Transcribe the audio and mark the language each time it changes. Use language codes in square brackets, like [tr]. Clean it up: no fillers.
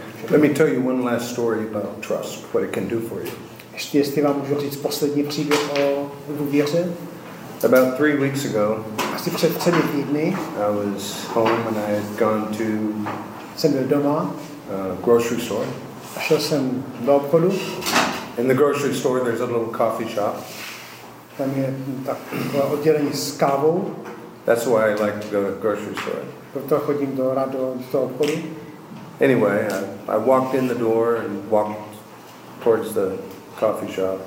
[en] Let me tell you one last story about trust, what it can do for you. [cs] Ještě jestli vám můžu říct poslední příběh o důvěře. [en] About 3 weeks ago, [cs] asi před třemi týdny, [en] I was home and I had gone to [cs] doma, [en] grocery store. [cs] A šel jsem do obchodu. [en] In the grocery store, there's a little coffee shop. [cs] Tam je takové oddělení s kávou. [en] That's why I like to go to the grocery store. [cs] Proto chodím do obchodu. [en] Anyway, I walked in the door and walked towards the coffee shop.